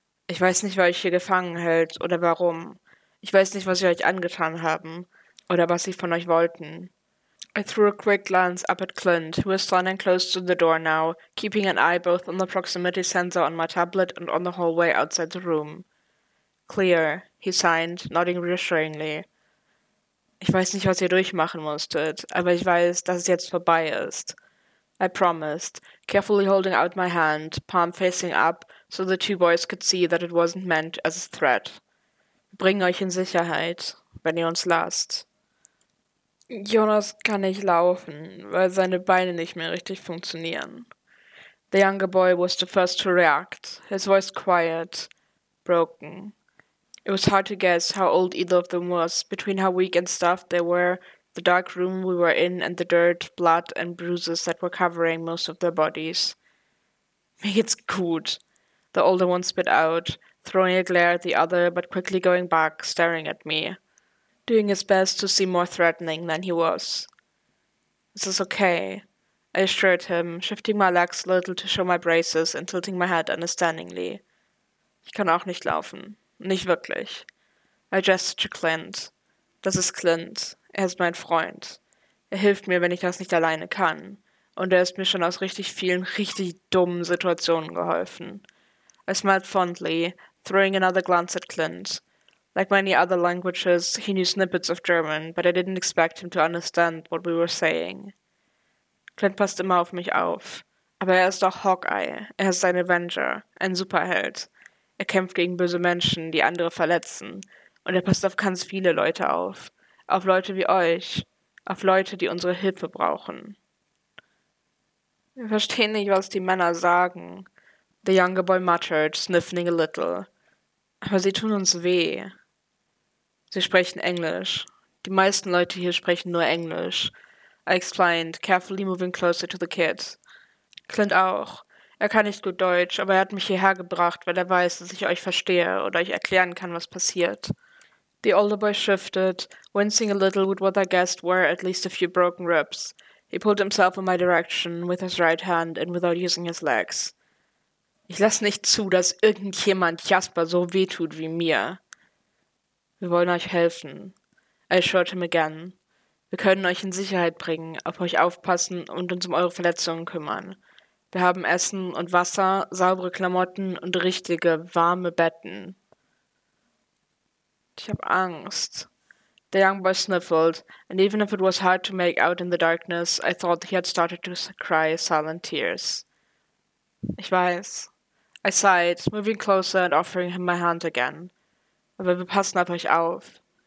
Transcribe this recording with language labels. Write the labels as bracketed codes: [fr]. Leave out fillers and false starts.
[de] Ich weiß nicht, wer euch hier gefangen hält oder warum. Ich weiß nicht, was sie euch angetan haben oder was sie von euch wollten. [en] I threw a quick glance up at Clint, who was standing close to the door now, keeping an eye both on the proximity sensor on my tablet and on the hallway outside the room. Clear, he signed, nodding reassuringly. [de] Ich weiß nicht, was ihr durchmachen musstet, aber ich weiß, dass es jetzt vorbei ist. [en] I promised, carefully holding out my hand, palm facing up, so the two boys could see that it wasn't meant as a threat. [de] Bring euch in Sicherheit, wenn ihr uns lasst. Jonas kann nicht laufen, weil seine Beine nicht mehr richtig funktionieren. [en] The younger boy was the first to react, his voice quiet, broken. It was hard to guess how old either of them was, between how weak and stuffed they were. The dark room we were in, and the dirt, blood, and bruises that were covering most of their bodies. [de] Mir geht's gut, [en] the older one spit out, throwing a glare at the other, but quickly going back, staring at me, doing his best to seem more threatening than he was. This is okay, I assured him, shifting my legs a little to show my braces and tilting my head understandingly. [de] Ich kann auch nicht laufen, nicht wirklich. [en] I gesture to Clint. [de] Das ist Clint. Er ist mein Freund. Er hilft mir, wenn ich das nicht alleine kann. Und er ist mir schon aus richtig vielen, richtig dummen Situationen geholfen. [en] I smiled fondly, throwing another glance at Clint. Like many other languages, he knew snippets of German, but I didn't expect him to understand what we were saying. [de] Clint passt immer auf mich auf. Aber er ist auch Hawkeye. Er ist ein Avenger, ein Superheld. Er kämpft gegen böse Menschen, die andere verletzen. Und er passt auf ganz viele Leute auf. Auf Leute wie euch. Auf Leute, die unsere Hilfe brauchen. Wir verstehen nicht, was die Männer sagen. [en] The younger boy muttered, sniffing a little. [de] Aber sie tun uns weh. Sie sprechen Englisch. Die meisten Leute hier sprechen nur Englisch. [en] I explained, carefully moving closer to the kid. [de] Clint auch. Er kann nicht gut Deutsch, aber er hat mich hierher gebracht, weil er weiß, dass ich euch verstehe oder euch erklären kann, was passiert. [en] The older boy shifted, wincing a little with what I guessed were at least a few broken ribs. He pulled himself in my direction, with his right hand and without using his legs. [de] Ich lasse nicht zu, dass irgendjemand Jasper so wehtut wie mir. Wir wollen euch helfen. [en] I assured him again. [de] Wir können euch in Sicherheit bringen, auf euch aufpassen und uns um eure Verletzungen kümmern. Wir haben Essen und Wasser, saubere Klamotten und richtige, warme Betten. Ich hab Angst. [en] The young boy sniffled, and even if it was hard to make out in the darkness, I thought he had started to cry silent tears. [de] Ich weiß. [en] I sighed, moving closer and offering him my hand again. [de] Aber wir passen auf euch auf.